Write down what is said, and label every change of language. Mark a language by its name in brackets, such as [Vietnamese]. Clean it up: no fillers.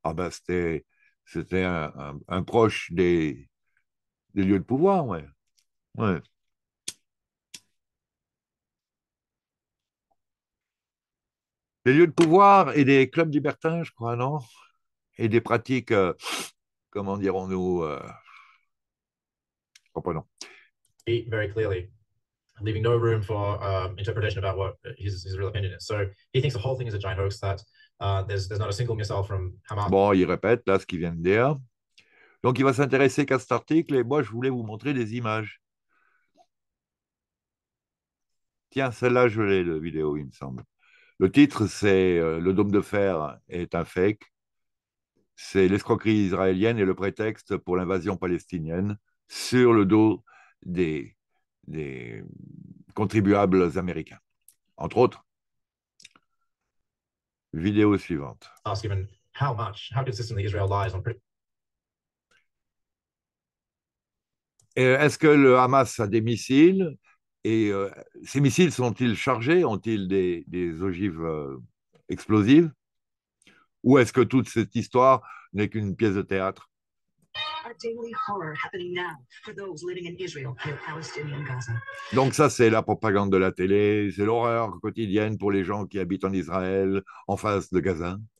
[French] Ah ben, c'était un proche des lieux de pouvoir, ouais. Ouais. Des lieux de pouvoir et des clubs libertins, je crois, non? Et des pratiques, comment dirons-nous, comprenons. [English] Very clearly, leaving no room for interpretation about what his real opinion is. So he thinks the whole thing is a giant hoax that there's not a single missile from Hamas. [French] Bon, il répète là ce qu'il vient de dire. Donc, il va s'intéresser qu'à cet article et moi, je voulais vous montrer des images. Tiens, celle-là, je l'ai, la vidéo, il me semble. Le titre, c'est Le dôme de fer est un fake. C'est l'escroquerie israélienne et le prétexte pour l'invasion palestinienne sur le dos des contribuables américains. Entre autres, vidéo suivante. [English] Ask him how much, how consistently Israel lies on. [French] Est-ce que le Hamas a des missiles? Et ces missiles sont-ils chargés? Ont-ils des ogives explosives? Ou est-ce que toute cette histoire n'est qu'une pièce de théâtre? [English] A daily horror happening now for those living in Israel near Palestinian Gaza. [French] Donc ça, c'est la propagande de la télé, c'est l'horreur quotidienne pour les gens qui habitent en Israël, en face de Gaza.